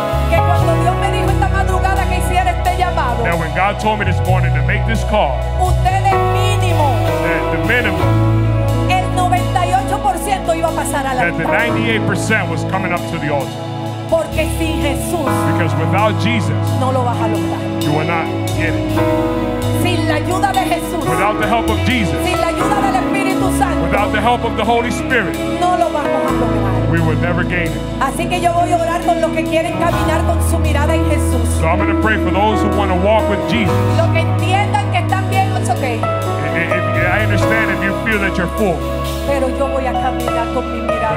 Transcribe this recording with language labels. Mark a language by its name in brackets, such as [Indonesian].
[Spanish] Que cuando Dios me dijo esta madrugada que hiciera este llamado. [English] That when God told me this morning to make this call. [Spanish] Ustedes mínimo. [English] That the minimum. [Spanish] El 98% iba a pasar al altar. [English] That the 98% was coming up to the altar. [Spanish] Porque sin Jesús. [English] Because without Jesus. [Spanish] No lo vas a lograr. [English] You will not get it. [Spanish] Sin la ayuda de Jesús. [English] Without the help of Jesus. [Spanish] Sin la ayuda del Espíritu Santo. [English] Without the help of the Holy Spirit. [Spanish] No lo vamos a lograr. [English] We will never gain it. [Spanish] Así que yo voy a orar con los que quieren caminar con su mirada en Jesús. [English] So I'm going to pray for those who want to walk with Jesus. [Spanish] Lo que entiendan que están bien, [English] it's okay. If I understand if you feel that you're full. [Spanish] Pero yo voy a caminar con mi mirada.